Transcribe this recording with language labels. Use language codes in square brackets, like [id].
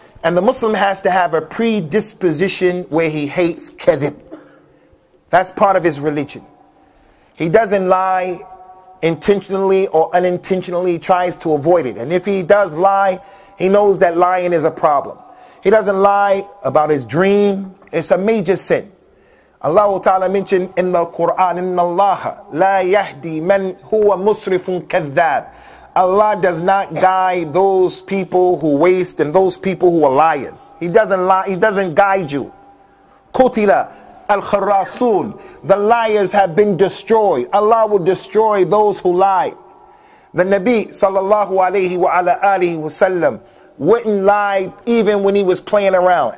[en] And the Muslim has to have a predisposition where he hates kedib. That's part of his religion. He doesn't lie intentionally or unintentionally. He tries to avoid it. And if he does lie, he knows that lying is a problem. He doesn't lie about his dream. It's a major sin. Allah Ta'ala mentioned in the Quran, [ar] إِنَّ اللَّهَ لَا يَهْدِي مَنْ هُوَ مُسْرِفٌ كَذَّابٌ. [en] Allah does not guide those people who waste and those people who are liars. He doesn't lie. He doesn't guide you. [ar] قُتِلَ الْخَرَّاصُونَ. [en] The liars have been destroyed. Allah will destroy those who lie. The Nabi Sallallahu Alaihi Wasallam wouldn't lie even when he was playing around.